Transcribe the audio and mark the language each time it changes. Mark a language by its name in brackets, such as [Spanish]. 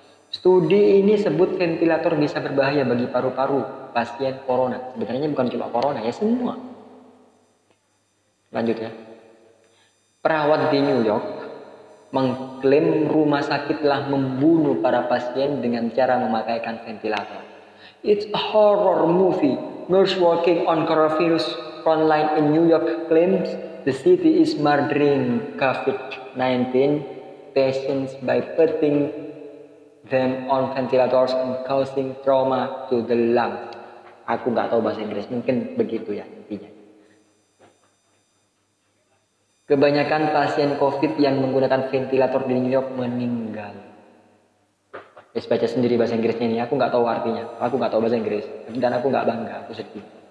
[Indonesian] Studi ini sebut ventilator bisa berbahaya bagi paru-paru pasien corona. Sebenarnya bukan cuma corona ya, semua. Lanjut ya. Perawat di New York mengklaim rumah sakit telah membunuh para pasien dengan cara memakaikan ventilator. [English] It's a horror movie. Nurse working on coronavirus frontline in New York claims the city is murdering COVID-19 patients by putting them on ventilators and causing trauma to the lungs. [Indonesian] Aku nggak tahu bahasa Inggris, mungkin begitu ya intinya. Kebanyakan pasien COVID yang menggunakan ventilator di New York meninggal. Saya baca sendiri bahasa Inggrisnya ini, aku nggak tahu artinya. Aku nggak tahu bahasa Inggris, dan aku nggak bangga, aku sedih.